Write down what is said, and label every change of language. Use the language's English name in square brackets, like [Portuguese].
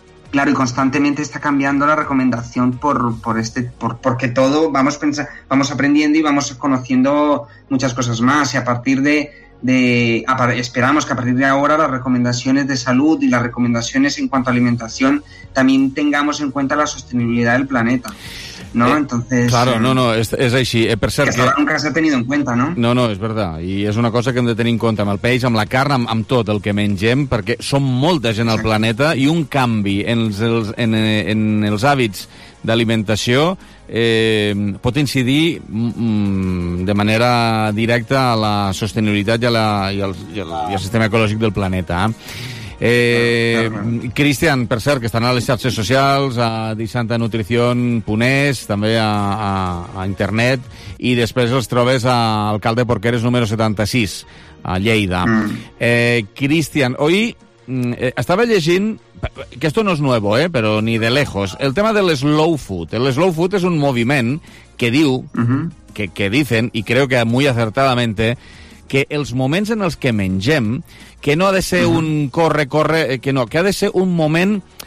[Spanish] Claro, y constantemente está cambiando la recomendación porque todo vamos aprendiendo y vamos conociendo muchas cosas más, y a partir esperamos que a partir de ahora las recomendaciones de salud y las recomendaciones en cuanto a alimentación también tengamos en cuenta la sostenibilidad del planeta, ¿no? Entonces, claro, es así. [Catalan] Per cert, [Spanish] que nunca se ha tenido en cuenta, ¿no? No, es verdad, y es una cosa que [Catalan] hem de tenir en compte amb el peix, amb la carn, amb tot el que mengem, perquè som molta gent al planeta, i un canvi en els hàbits d'alimentació pot incidir de manera directa a la sostenibilitat i al sistema ecològic del planeta. Christian, per cert, que estan a les xarxes socials, a Dissanta Nutrición Punès, també a internet, i després els trobes a Alcalde Porqueres número 76, a Lleida. [Spanish] Christian, hoy [Catalan] estava llegint, [Spanish] que esto no es nuevo, pero ni de lejos, el tema del slow food. [Catalan] El slow food es un moviment que diu, [Spanish] que dicen, y creo que muy acertadamente, [Catalan] que els moments en els que mengem, que no ha de ser un corre-corre, que ha de ser un moment